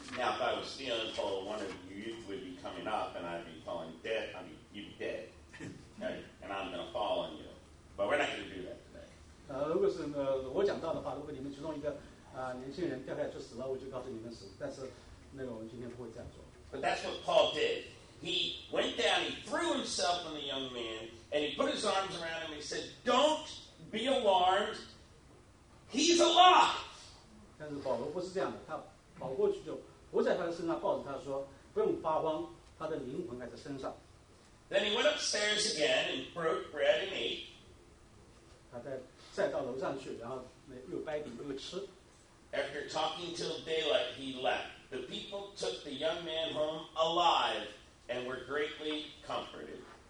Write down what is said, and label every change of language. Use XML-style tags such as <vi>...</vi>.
<en>if I was stealing Paul, one of you would be coming up, and I'd be calling dead. I mean, you dead. Okay, and I'm going to fall on you. But we're not going to do that today.</en> <zh>如果是我讲到的话，如果你们其中一个年轻人掉下去死了，我就告诉你们死。但是那个我们今天不会这样做。</zh> <en>But that's what Paul did. He went down, he threw himself on the young man, and he put his arms around him, and he said, "Don't be alarmed. He's alive."</en> <zh>但是保罗不是这样的，他跑过去就扑在他的身上，抱着他说，不用发慌，他的灵魂还在身上。</zh> <en>Then he went upstairs again and broke bread and ate.</en> <zh>他再到楼上去，然后又掰饼又吃。</zh> <en>After talking till daylight, he left. The people took the young man home alive and were greatly comforted.</en>